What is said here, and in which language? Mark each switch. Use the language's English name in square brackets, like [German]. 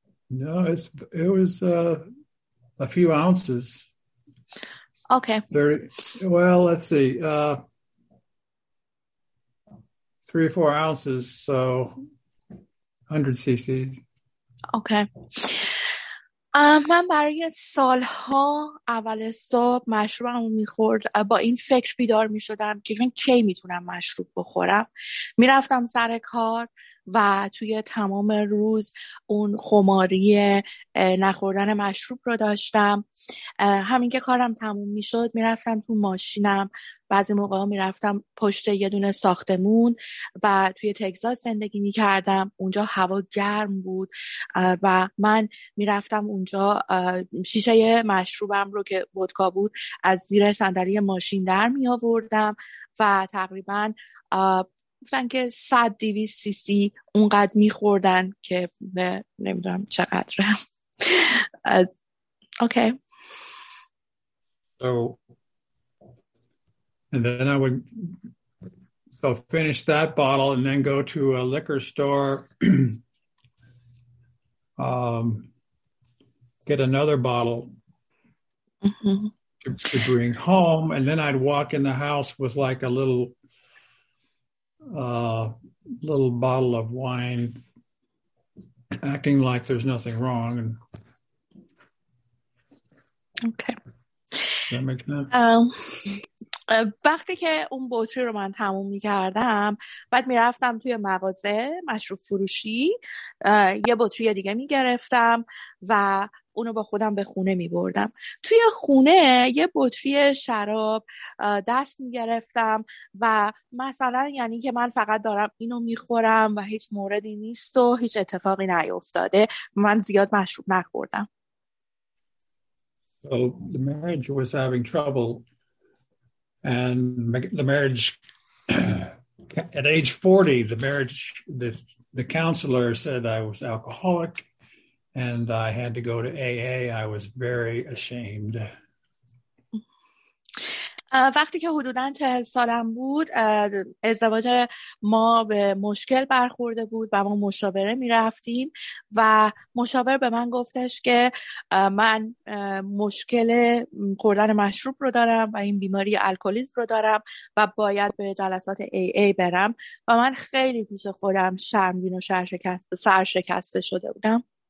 [English] No, it was a few ounces. Okay. Let's see, 3 or 4 ounces, so 100 cc's. Okay. [Persian] من برای سالها اول صبح مشروبم رو میخورد با این فکر بیدار میشدم که من کی میتونم مشروب بخورم. میرفتم سر کار و توی تمام روز اون خماری نخوردن مشروب رو داشتم. همین که کارم تموم میشد میرفتم تو ماشینم، بعضی موقعا میرفتم پشت یه دونه ساختمون و توی تگزاس زندگی میکردم، اونجا هوا گرم بود و من میرفتم اونجا شیشه مشروبم رو که ودکا بود از زیر صندلی ماشین در میآوردم و تقریبا گفتن که 100-200 سی سی اونقدر میخوردن که نمیدونم چقدره. [English] Okay. So, and then I would so finish that bottle and then go to a liquor store, get another bottle to bring home, and then I'd walk in the house with like a little bottle of wine, acting like there's nothing wrong. Okay. That makes sense. [Persian] وقتی که اون بطری رو من تموم می کردم، بعد می رفتم توی مغازه مشروب فروشی، یه بطری دیگه می گرفتم و اونو با خودم به خونه می بردم. توی خونه یه بطری شراب دست می گرفتم و مثلا یعنی که من فقط دارم اینو می خورم و هیچ موردی نیست و هیچ اتفاقی نیفتاده، من زیاد مشروب نخوردم. [English] So the marriage was having trouble. And the marriage, at age 40, the counselor said I was alcoholic and I had to go to AA. I was very ashamed. [Persian] وقتی که حدوداً 40 سالم بود، ازدواج ما به مشکل برخورده بود و ما مشاوره می رفتیم و مشاور به من گفتش که من مشکل خوردن مشروب رو دارم و این بیماری الکلیسم رو دارم و باید به جلسات AA برم و من خیلی پیش خودم شرمگین و سرشکسته شده بودم.